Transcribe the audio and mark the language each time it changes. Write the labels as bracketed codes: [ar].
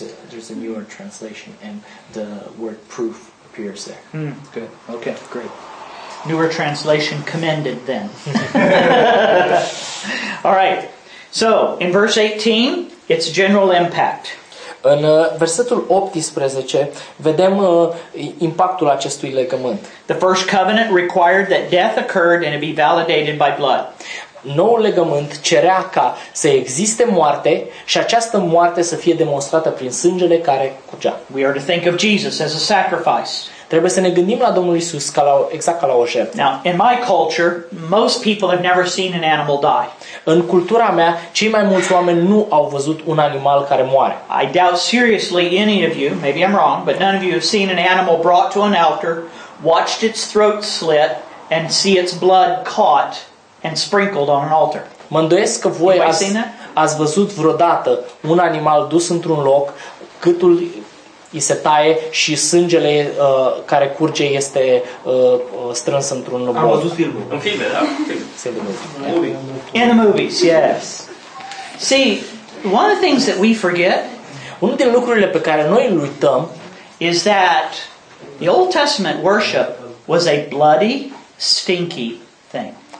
[en] There's a newer translation and the word proof appears there. Mm. Good. Okay, great. Newer translation commended then. All right. So, in verse 18, it's general impact. [ro] În versetul 18, vedem impactul acestui legământ. [en] The first covenant required that death occurred and it be validated by blood. [ro] Noul legământ cerea ca să existe moarte și această moarte să fie demonstrată prin sângele care curgea. [en] We are to think of Jesus as a sacrifice. [ro] Trebuie să ne gândim la Domnul Iisus ca la o jertfă. [en] Now, in my culture, most people have never seen an animal die. [ro] În cultura mea, cei mai mulți oameni nu au văzut un animal care moare. [en] I doubt seriously any of you, maybe I'm wrong, but none of you have seen an animal brought to an altar, watched its throat slit, and see its blood caught and sprinkled on an altar. [ro] Mă îndoiesc că voi ați văzut vreodată un animal dus într-un loc, gâtul i se taie și sângele care curge este strâns într-un loc. Am văzut filmul. În filme, da. [en] In the movies, yes. See, one of the things that we forget, [ro] unul din lucrurile pe care noi îl uităm, [en] is that the Old Testament worship was a bloody, stinky thing.